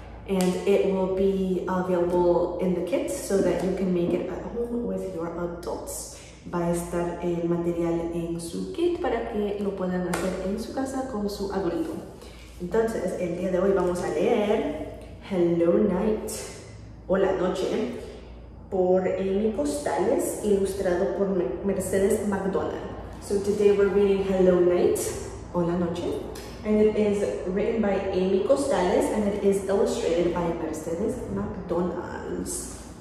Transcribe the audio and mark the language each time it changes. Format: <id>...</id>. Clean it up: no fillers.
<en>And it will be available in the kits so that you can make it at home with your adults.</en> <es>Va a estar el material en su kit para que lo puedan hacer en su casa con su adulto. Entonces, el día de hoy vamos a leer Hello Night, Hola Noche, por Amy Postales, ilustrado por Mercedes McDonald.</es> <en>So today we're reading Hello Night, Hola Noche. And it is written by Amy Costales, and it is illustrated by Mercedes McDonald's.</en>